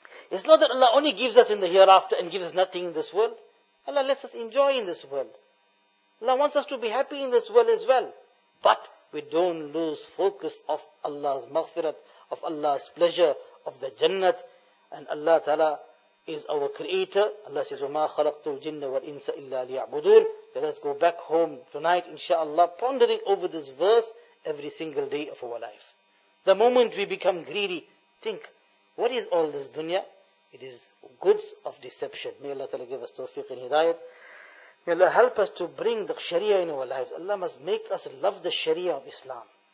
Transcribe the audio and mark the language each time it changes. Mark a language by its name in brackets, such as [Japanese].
[English] It's not that Allah only gives us in the hereafter and gives us nothing in this world. Allah lets us enjoy in this world. Allah wants us to be happy in this world as well. But we don't lose focus of Allah's maghfirat, of Allah's pleasure, of the Jannat. And Allah Ta'ala is our creator. Allah says, [Arabic] وَمَا خَلَقْتُ الْجِنَّ وَالْإِنسَ إِلَّا لِيَعْبُدُونَ. [English] Let us go back home tonight, inshaAllah, pondering over this verse every single day of our life. The moment we become greedy, think, what is all this dunya? It is goods of deception. May Allah Ta'ala give us tawfiq and hidayat. May Allah help us to bring the sharia in our lives. Allah must make us love the sharia of Islam.